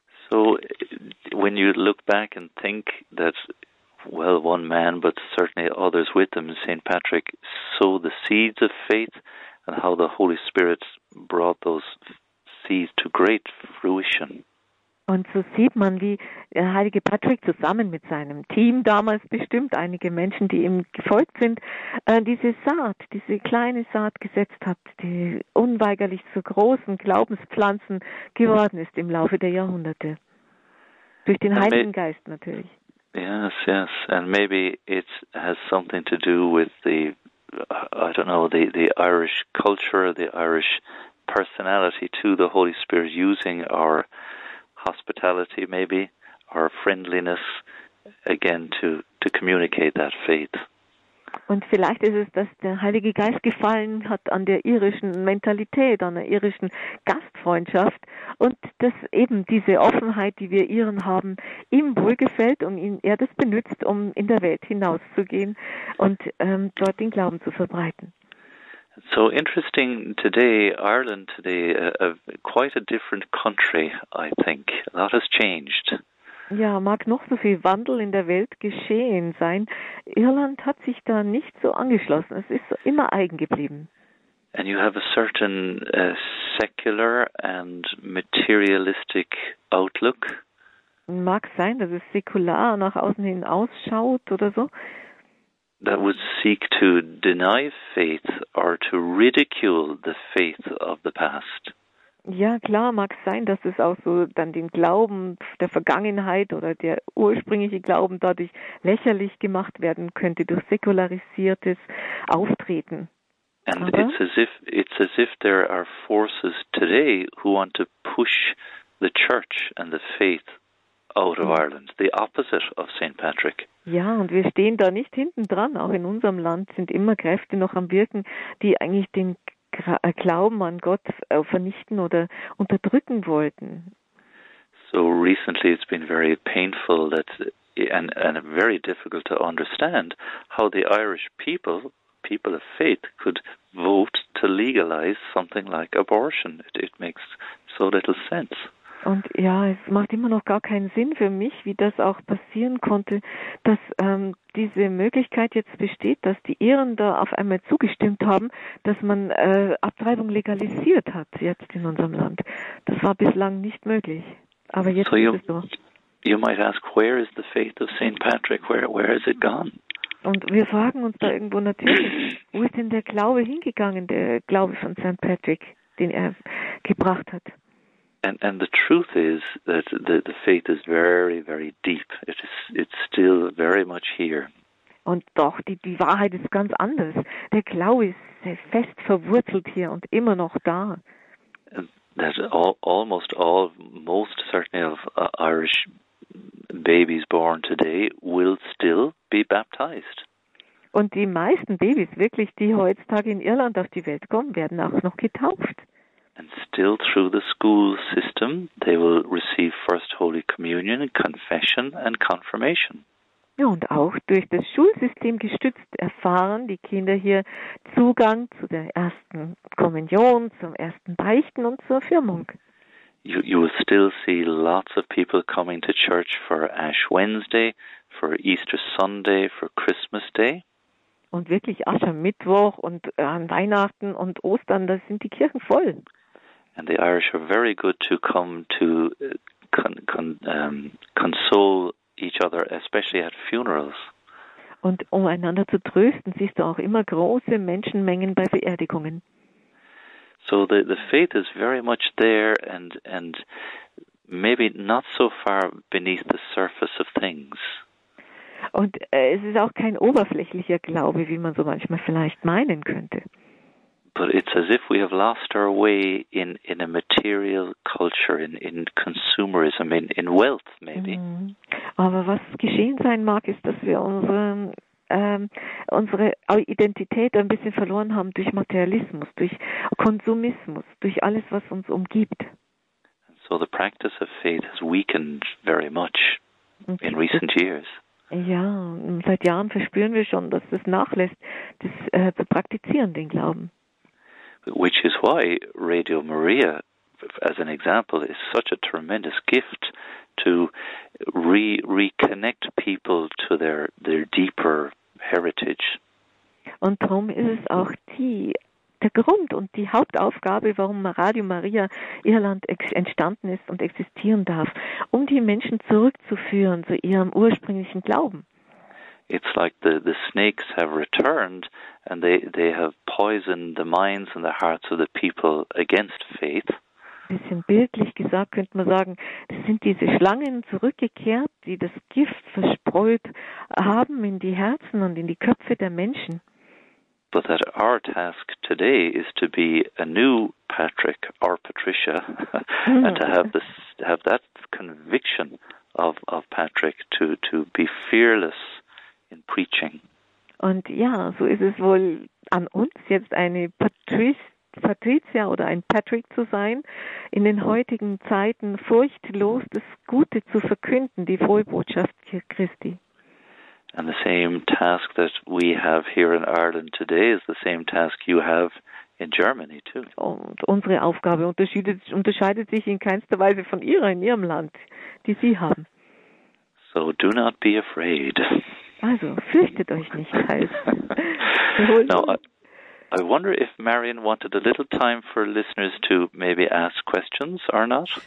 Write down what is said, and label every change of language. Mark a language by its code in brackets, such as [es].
[en] So, when you look back and think that, well, one man, but certainly others with him, St. Patrick, sow the seeds of faith and how the Holy Spirit brought those seeds to great fruition. [de] Und so sieht man, wie der heilige Patrick zusammen mit seinem Team, damals bestimmt einige Menschen, die ihm gefolgt sind, diese Saat, diese kleine Saat gesetzt hat, die unweigerlich zu großen Glaubenspflanzen geworden ist im Laufe der Jahrhunderte. Durch den Heiligen Geist natürlich. [en] Yes, yes. And maybe it has something to do with the, I don't know, the Irish culture, the Irish personality too, the Holy Spirit using our hospitality maybe, our friendliness again to communicate that faith. [de] Und vielleicht ist es, dass der Heilige Geist gefallen hat an der irischen Mentalität, an der irischen Gastfreundschaft und dass eben diese Offenheit, die wir Iren haben, ihm wohlgefällt und er das benutzt, um in der Welt hinauszugehen und dort den Glauben zu verbreiten. [en] So interesting today, Ireland today, quite a different country, I think. A lot has changed. [de] Ja, mag noch so viel Wandel in der Welt geschehen sein. Irland hat sich da nicht so angeschlossen. Es ist immer eigen geblieben. [en] And you have a certain secular and materialistic outlook. [de] Mag sein, dass es säkular nach außen hin ausschaut oder so. [en] That would seek to deny faith or to ridicule the faith of the past. [de] Ja, klar, mag sein, dass es auch so dann den Glauben der Vergangenheit oder der ursprüngliche Glauben dadurch lächerlich gemacht werden könnte durch säkularisiertes Auftreten. [en] And it's as if there are forces today who want to push the church and the faith out of Ireland, the opposite of St. Patrick. [de] Ja, und wir stehen da nicht hinten dran. Auch in unserem Land sind immer Kräfte noch am Wirken, die eigentlich den Glauben an Gott vernichten oder unterdrücken wollten. [en] So recently it's been very painful that and very difficult to understand how the Irish people of faith could vote to legalize something like abortion. It makes so little sense. [de] Und ja, es macht immer noch gar keinen Sinn für mich, wie das auch passieren konnte, dass diese Möglichkeit jetzt besteht, dass die Iren da auf einmal zugestimmt haben, dass man Abtreibung legalisiert hat jetzt in unserem Land. Das war bislang nicht möglich. Aber jetzt so ist [en] you, [de] es so. [en] You might ask, where is the faith of St. Patrick? Where has it gone? [de] Und wir fragen uns da irgendwo natürlich, wo ist denn der Glaube hingegangen, der Glaube von St. Patrick, den er gebracht hat? [en] And the truth is that the faith is very, very deep. It's still very much here. [de] Und doch, die Wahrheit ist ganz anders. Der Glaube ist sehr fest verwurzelt hier und immer noch da. [en] That almost all, most certainly of Irish babies born today will still be baptized. [de] Und die meisten Babys, wirklich, die heutzutage in Irland auf die Welt kommen, werden auch noch getauft. [en] And still through the school system, they will receive first Holy Communion, confession and confirmation. [de] Ja, und auch durch das Schulsystem gestützt erfahren die Kinder hier Zugang zu der ersten Kommunion, zum ersten Beichten und zur Firmung. [en] You will still see lots of people coming to church for Ash Wednesday, for Easter Sunday, for Christmas Day. [de] Und wirklich Aschermittwoch und an Weihnachten und Ostern, da sind die Kirchen voll. [en] And the Irish are very good to come to console each other, especially at funerals. [de] Und um einander zu trösten, siehst du auch immer große Menschenmengen bei Beerdigungen. [en] So the faith is very much there and maybe not so far beneath the surface of things. [de] Und es ist auch kein oberflächlicher Glaube, wie man so manchmal vielleicht meinen könnte. [en] But it's as if we have lost our way in a material culture, in consumerism, in wealth maybe. [de] Aber was geschehen sein mag, ist, dass wir unsere Identität ein bisschen verloren haben durch Materialismus, durch Konsumismus, durch alles, was uns umgibt. [en] So the practice of faith has weakened very much in recent years. [de] Ja, seit Jahren verspüren wir schon, dass es nachlässt, das zu praktizieren, den Glauben. [en] Which is why Radio Maria, as an example, is such a tremendous gift to reconnect people to their deeper heritage. [de] Und darum ist es auch der Grund und die Hauptaufgabe, warum Radio Maria Irland entstanden ist und existieren darf, um die Menschen zurückzuführen zu ihrem ursprünglichen Glauben. [en] It's like the snakes have returned and they have poisoned the minds and the hearts of the people against faith. [de] Ein bisschen bildlich gesagt könnte man sagen, es sind diese Schlangen zurückgekehrt, die das Gift verspreut haben in die Herzen und in die Köpfe der Menschen. [en] But that our task today is to be a new Patrick or Patricia and to have that conviction of Patrick to be fearless in preaching. [de] Und ja, so ist es wohl an uns jetzt eine Patricia oder ein Patrick zu sein, in den heutigen Zeiten furchtlos das Gute zu verkünden, die frohe Botschaft Christi. [en] And the same task that we have here in Ireland today is the same task you have in Germany too. [de] Und unsere Aufgabe unterscheidet sich in keinster Weise von ihrer in ihrem Land, die sie haben. [en] So do not be afraid. [de] Also fürchtet euch nicht, heißt. [en] Now, I wonder if Marion wanted a little time for listeners to maybe ask questions or not.